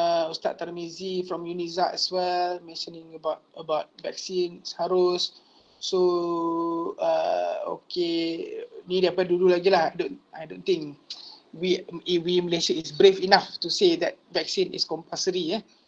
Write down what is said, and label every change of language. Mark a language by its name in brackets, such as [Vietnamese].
[English] Ustaz Tarmizi from UNIZA as well mentioning about vaksin harus. [Malay] So okay, ni daripada dulu lagi lah. [English] I don't think we Malaysia is brave enough to say that vaksin is compulsory.